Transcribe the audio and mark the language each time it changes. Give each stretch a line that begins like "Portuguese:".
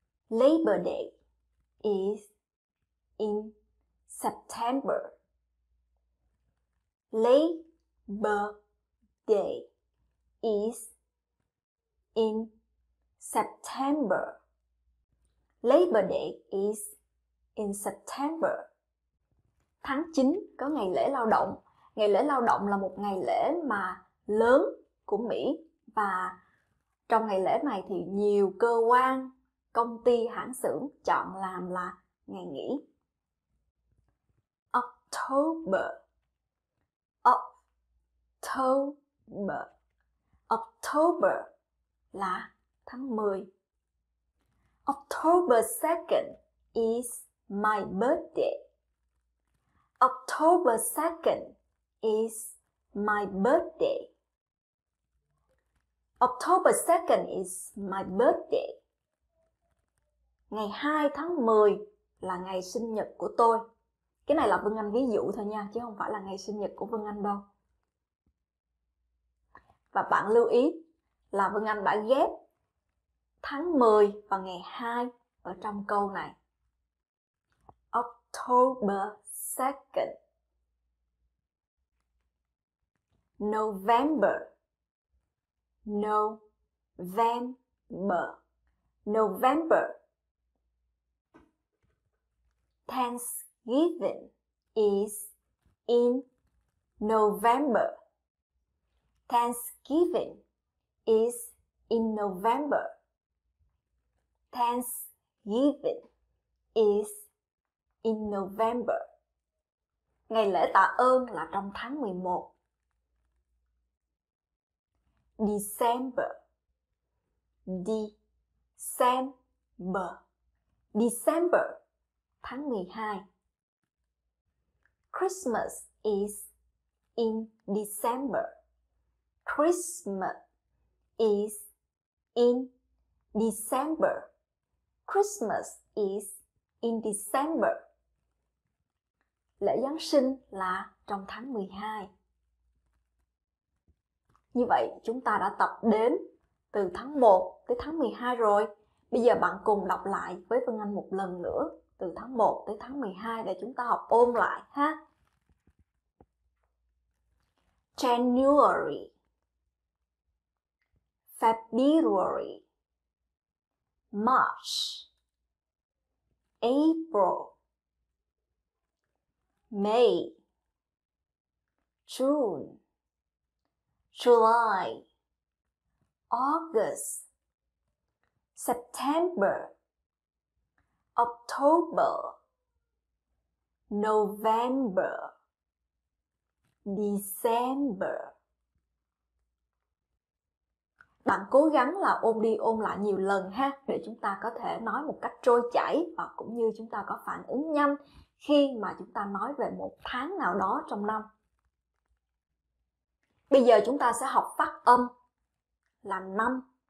English: Labor Day is in September. Labor Day is in September. Labor Day is in September.
Vietnamese: Tháng 9 có ngày lễ lao động. Ngày lễ lao động là một ngày lễ mà lớn của Mỹ. Và trong ngày lễ này thì nhiều cơ quan, công ty, hãng xưởng chọn làm là ngày nghỉ.
English: October, October, October
Vietnamese: là tháng 10.
English: October 2nd is my birthday. October 2nd is my birthday. October 2nd is my birthday.
Vietnamese: Ngày 2 tháng 10 là ngày sinh nhật của tôi. Cái này là Vân Anh ví dụ thôi nha, chứ không phải là ngày sinh nhật của Vân Anh đâu. Và bạn lưu ý là Vân Anh đã ghép tháng 10 và ngày 2 ở trong câu này.
English: October 2nd. November. November. November. Thanksgiving is in November. Thanksgiving is in November. Thanksgiving is in November.
Vietnamese: Ngày lễ tạ ơn là trong tháng 11.
English: December. December. December.
Vietnamese: Tháng 12.
English: Christmas is in December. Christmas is in December. Christmas is in December.
Vietnamese: Lễ Giáng sinh là trong tháng 12. Như vậy, chúng ta đã tập đến từ tháng 1 tới tháng 12 rồi. Bây giờ bạn cùng đọc lại với Vân Anh một lần nữa. Từ tháng 1 tới tháng 12 để chúng ta học ôn lại ha.
English: January, February, March, April, May, June, July, August, September, October, November, December.
Vietnamese: Bạn cố gắng là ôm đi ôm lại nhiều lần ha, để chúng ta có thể nói một cách trôi chảy và cũng như chúng ta có phản ứng nhanh khi mà chúng ta nói về một tháng nào đó trong năm. Bây giờ chúng ta sẽ học phát âm là năm.